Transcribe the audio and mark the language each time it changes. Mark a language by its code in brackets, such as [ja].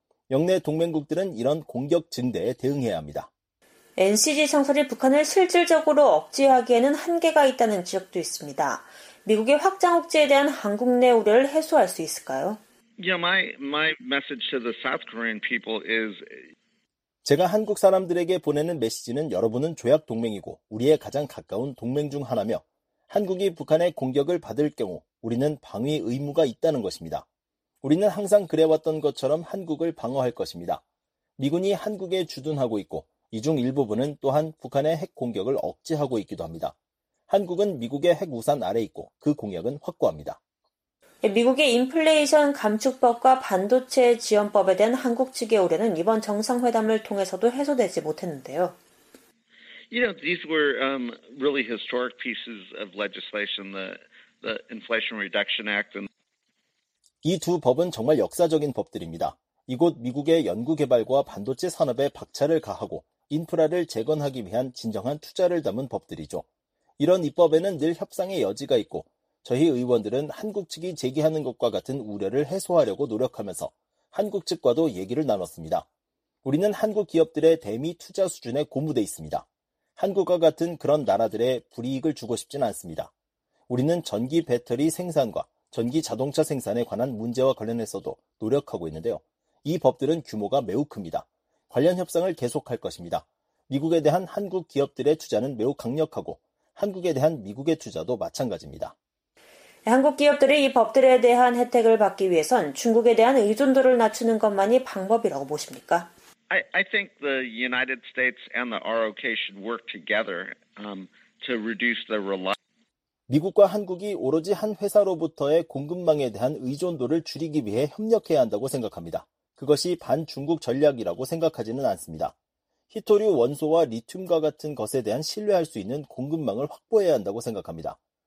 [ko] 역내 동맹국들은 이런 공격 증대에 대응해야 합니다. NCG 창설이 북한을 실질적으로 억제하기에는 한계가 있다는 지적도 있습니다. 미국의 확장 억제에 대한 한국 내 우려를 해소할 수 있을까요? [en] Yeah, my message to the South Korean people is [ko] 제가 한국 사람들에게 보내는 메시지는 여러분은 조약 동맹이고 우리의 가장 가까운 동맹 중 하나며 한국이 북한의 공격을 받을 경우 우리는 방위 의무가 있다는 것입니다. 우리는 항상 그래왔던 것처럼 한국을 방어할 것입니다. 미군이 한국에 주둔하고 있고 이 중 일부분은 또한 북한의 핵 공격을 억제하고 있기도 합니다. 한국은 미국의 핵 우산 아래 있고 그 공약은 확고합니다. 미국의 인플레이션 감축법과 반도체 지원법에 대한 한국 측의 우려는 이번 정상회담을 통해서도 해소되지 못했는데요. [en] You know, these were really historic pieces of legislation, the Inflation Reduction Act. And [ko] 이 두 법은 정말 역사적인 법들입니다. 이곳 미국의 연구개발과 반도체 산업에 박차를 가하고 인프라를 재건하기 위한 진정한 투자를 담은 법들이죠. 이런 입법에는 늘 협상의 여지가 있고 저희 의원들은 한국 측이 제기하는 것과 같은 우려를 해소하려고 노력하면서 한국 측과도 얘기를 나눴습니다. 우리는 한국 기업들의 대미 투자 수준에 고무돼 있습니다. 한국과 같은 그런 나라들의 불이익을 주고 싶진 않습니다. 우리는 전기 배터리 생산과 전기 자동차 생산에 관한 문제와 관련해서도 노력하고 있는데요. 이 법들은 규모가 매우 큽니다. 관련 협상을 계속할 것입니다. 미국에 대한 한국 기업들의 투자는 매우 강력하고 한국에 대한 미국의 투자도 마찬가지입니다. 한국 기업들이 이 법들에 대한 혜택을 받기 위해선 중국에 대한 의존도를 낮추는 것만이 방법이라고 보십니까? [en] I think the United States and the ROK should work together to reduce the reliance. [ko] 미국과 한국이 오로지 한 회사로부터의 공급망에 대한 의존도를 줄이기 위해 협력해야 한다고 생각합니다. 그것이 반중국 전략이라고 생각하지는 않습니다. 희토류 원소와 리튬과 같은 것에 대한 신뢰할 수 있는 공급망을 확보해야 한다고 생각합니다.